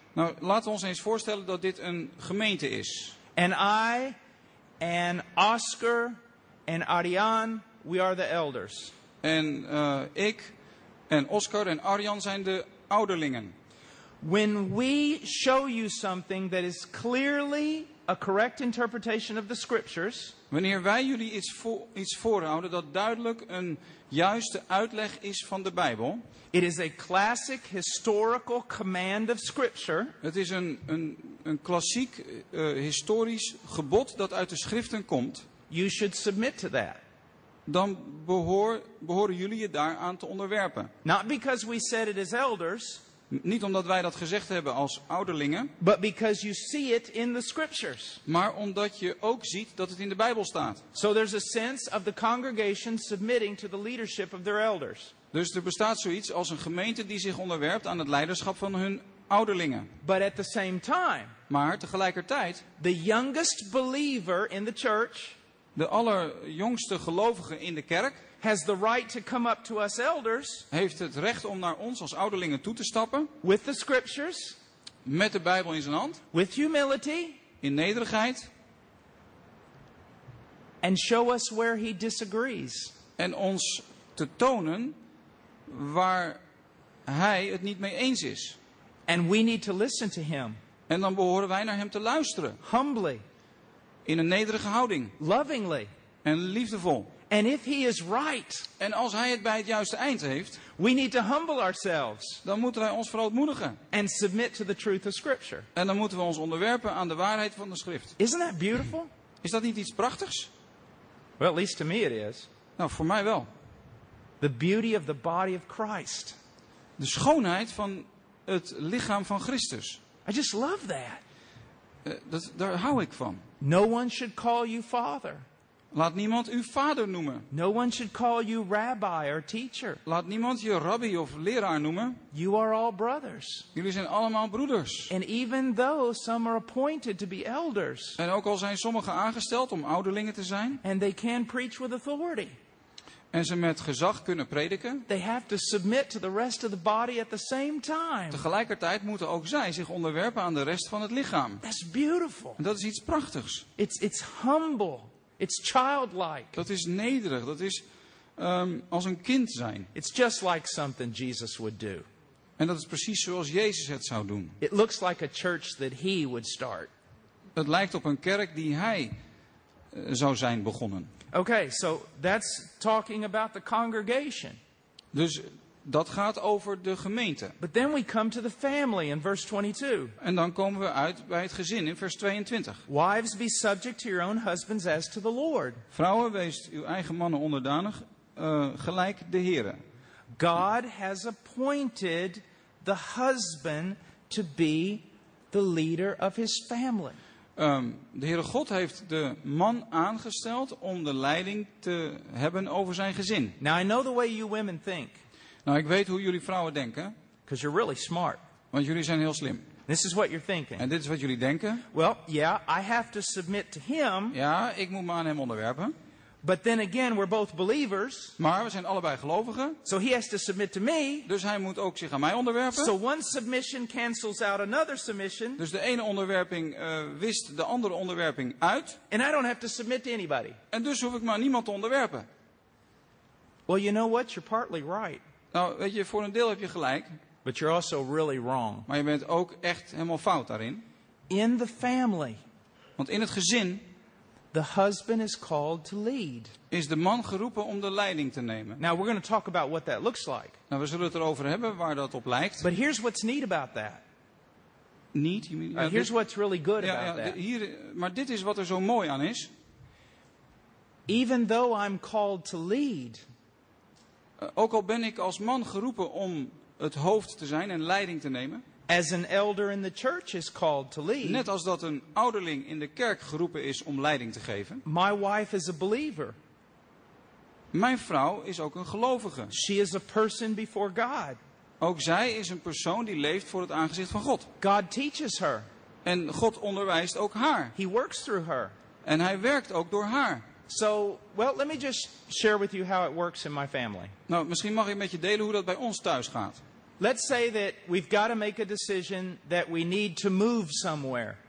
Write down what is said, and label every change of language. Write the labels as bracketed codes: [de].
[nl] Nou, laten we ons eens voorstellen dat dit een gemeente is. [en] And I and Oscar and Arian, we are the elders. [nl] En ik en Oscar en Arjan zijn de ouderlingen. [en] When we show you something that is clearly a correct interpretation of the scriptures. [nl] Wanneer wij jullie iets voorhouden dat duidelijk een juiste uitleg is van de Bijbel. [en] It is a classic historical command of scripture. [nl] Het is een klassiek historisch gebod dat uit de schriften komt. [en] You should submit to that. [nl] Dan behoren jullie je daaraan te onderwerpen. [en] Not because we said it as elders, [nl] niet omdat wij dat gezegd hebben als ouderlingen, [en] but because you see it in the scriptures. [nl] Maar omdat je ook ziet dat het in de Bijbel staat. [en] So there's a sense of the congregation submitting to the leadership of their elders. [nl] Dus er bestaat zoiets als een gemeente die zich onderwerpt aan het leiderschap van hun ouderlingen. [en] But at the same time, [nl] maar tegelijkertijd, [en] the youngest believer in the church, [nl] de allerjongste gelovige in de kerk, [en] has the right to come up to us elders, [nl] heeft het recht om naar ons als ouderlingen toe te stappen, [en] with the scriptures, [nl] met de Bijbel in zijn hand, [en] with humility, [nl] in nederigheid, [en] and show us where he disagrees, [nl] en ons te tonen waar hij het niet mee eens is. [en] And we need to listen to him. [nl] En dan behoren wij naar hem te luisteren. [en] Humbly. [nl] In een nederige houding. [en] Lovingly. [nl] En liefdevol. [en] And if he is right, [nl] en als hij het bij het juiste eind heeft, [en] we need to humble ourselves. [nl] Dan moeten wij ons verootmoedigen. [en] And submit to the truth of scripture. [nl] En dan moeten we ons onderwerpen aan de waarheid van de schrift. [en] Isn't that beautiful? [nl] Is dat niet iets prachtigs? [en] Well, at least to me it is. [nl] Nou, voor mij wel. [en] The beauty of the body of Christ. [nl] De schoonheid van het lichaam van Christus. [en] I just love that. [nl] Daar hou ik van. [en] No one should call you father. [nl] Laat niemand u vader noemen. [en] No one should call you rabbi or teacher. [nl] Laat niemand je rabbi of leraar noemen. [en] You are all brothers. [nl] Jullie zijn allemaal broeders. [en] And even though some are appointed to be elders. [nl] En ook al zijn sommigen aangesteld om ouderlingen te zijn. [en] And they can preach with authority. [nl] En ze met gezag kunnen prediken. [en] They have to submit to the rest of the body at the same time. [nl] Tegelijkertijd moeten ook zij zich onderwerpen aan de rest van het lichaam. [en] That's beautiful. [nl] En dat is iets prachtigs. [en] It's humble. It's childlike. [nl] Dat is nederig. Dat is als een kind zijn. [en] It's just like something Jesus would do. [nl] En dat is precies zoals Jezus het zou doen. [en] It looks like a church that he would start. [nl] Het lijkt op een kerk die hij zou zijn begonnen. [en] Okay, so that's talking about the congregation. [nl] Dus dat gaat over de gemeente. [en] But then we come to the family in verse 22. [nl] En dan komen we uit bij het gezin in vers 22. [en] Wives, be subject to your own husbands as to the Lord. [nl] Vrouwen, wees uw eigen mannen onderdanig, gelijk de heren. [en] God has appointed the husband to be the leader of his family. [nl] De Heere God heeft de man aangesteld om de leiding te hebben over zijn gezin. [en] Now I know the way you women think. [nl] Nou, ik weet hoe jullie vrouwen denken. [en] Because you're really smart. [nl] Want jullie zijn heel slim. [en] This is what you're thinking. [nl] En dit is wat jullie denken. [en] Well, yeah, I have to submit to him. [nl] Ja, ik moet me aan hem onderwerpen. [en] But then again, we're both believers. [nl] Maar we zijn allebei gelovigen. [en] So he has to submit to me. [nl] Dus hij moet ook zich aan mij onderwerpen. [en] So one submission cancels out another submission. [nl] Dus de ene onderwerping wist de andere onderwerping uit. [en] And I don't have to submit to anybody. [nl] En dus hoef ik maar niemand te onderwerpen. [en] Well, you know what? You're partly right. [nl] Nou, weet je, voor een deel heb je gelijk. [en] But you're also really wrong. [nl] Maar je bent ook echt helemaal fout daarin. [en] In the family. [nl] Want in het gezin. [en] The husband is called to lead. [nl] Is de man geroepen om de leiding te nemen. [en] Now we're going to talk about what that looks like. [nl] Nou, we zullen het erover hebben waar dat op lijkt. [en] But here's what's neat about that. Neat? You mean, here's what's really good about that. [nl] Hier, maar dit is wat er zo mooi aan is. [en] Even though I'm called to lead. [nl] Ook al ben ik als man geroepen om het hoofd te zijn en leiding te nemen. [en] As an elder in the church is called to lead. [nl] Net als dat een ouderling in de kerk geroepen is om leiding te geven. [en] My wife is a believer. [nl] Mijn vrouw is ook een gelovige. [en] She is a person before God. [nl] Ook zij is een persoon die leeft voor het aangezicht van God. [en] God teaches her. [nl] En God onderwijst ook haar. [en] He works through her. [nl] En hij werkt ook door haar. [en] So, well, let me just share with you how it works in my family. [nl] Nou, misschien mag ik met je delen hoe dat bij ons thuis gaat. [en] Let's say that we've got to make a decision that we need to move somewhere.